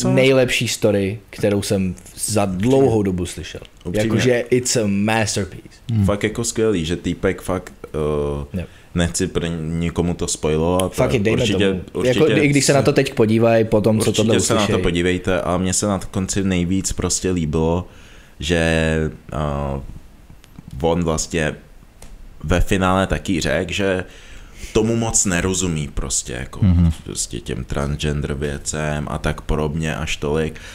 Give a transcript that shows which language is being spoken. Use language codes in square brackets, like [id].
[cs] Nejlepší story, kterou jsem za dlouhou dobu slyšel. [en] Jakože it's a masterpiece. [cs] Fakt jako skvělý, že týpek fakt nechci pro nikomu to spoilovat. Fakt dejme určitě, tomu. Určitě jako, i když se na to teď podívají, potom co tohle uslyšejí. Určitě se na to podívejte, ale mně se na konci nejvíc prostě líbilo, že on vlastně ve finále taky řekl, že tomu moc nerozumí prostě, jako prostě těm transgender věcem a tak podobně až tolik.